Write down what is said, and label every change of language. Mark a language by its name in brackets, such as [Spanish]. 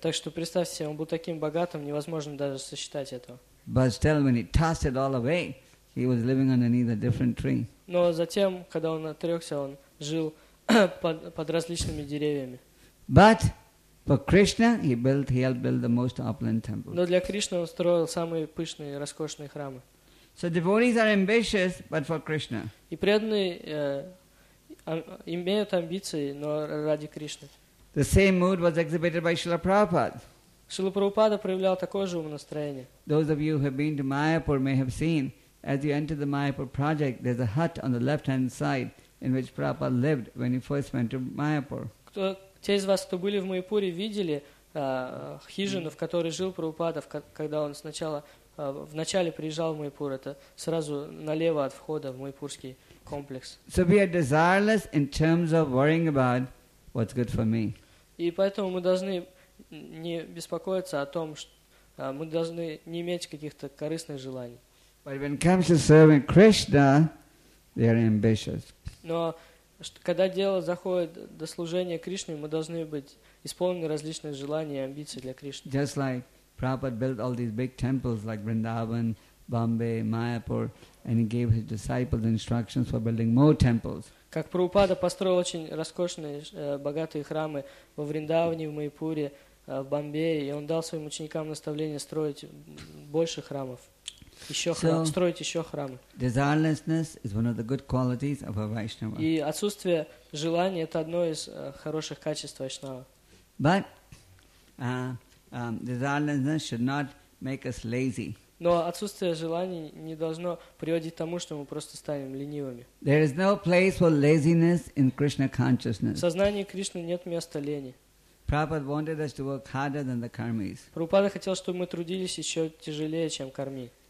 [Russian] Так что представьте себе, он был таким богатым, невозможно даже сосчитать этого. [English] But still, when he tossed it all away, he was living underneath a different tree. [Russian] Но затем, когда он отрекся, он жил под различными деревьями. [English] But for Krishna, he helped build the most opulent temple. [Russian] Но для Кришны он строил самые пышные, роскошные храмы. [English] So devotees are ambitious, but for Krishna. [Russian] И преданные имеют амбиции, но ради Кришны. [English] The same mood was exhibited by Srila Prabhupada. [Russian] Шрила Прабхупада проявлял такое же умонастроение. [English] Those of you who have been to Mayapur may have seen, as you enter the Mayapur project, there's a hut on the left-hand side in which Prabhupada lived when he first went to Mayapur. [Russian] Те из вас, кто были в Майпуре, видели хижину, в которой жил Прабхупада, когда он сначала, вначале приезжал в Майпур. Это сразу налево от входа в майпурский комплекс. [English] So we are desireless in terms of worrying about what's good for me. [Russian] И поэтому мы должны не беспокоиться о том, что мы должны не иметь каких-то корыстных желаний. [English] But when it comes to serving Krishna, they are ambitious. [Russian] Но когда дело заходит до служения Кришне, мы должны быть исполнены различных желаний и амбиций для Кришны. [English] Just like Prabhupada built all these big temples like Vrindavan, Bombay, Mayapur, and he gave his disciples instructions for building more temples. [Russian] Как Прабхупада построил очень роскошные, богатые храмы во Вриндаване, в Майпуре, в Бомбее, и он дал своим ученикам наставление строить больше храмов. Строить еще храмы. [English] Desirelessness is one of the good qualities of a Vaishnava. [Russian] И отсутствие желания – это одно из хороших качеств Вайшнава. [English] But desirelessness should not make us lazy. [Russian] Но отсутствие желаний не должно приводить к тому, что мы просто станем ленивыми. [English] There is no place for laziness in Krishna consciousness. [Russian] В сознании Кришны нет места лени. [English] Prabhupada wanted us to work harder than the karmis. [Russian] Прабхупада хотел, чтобы мы трудились еще тяжелее, чем карми.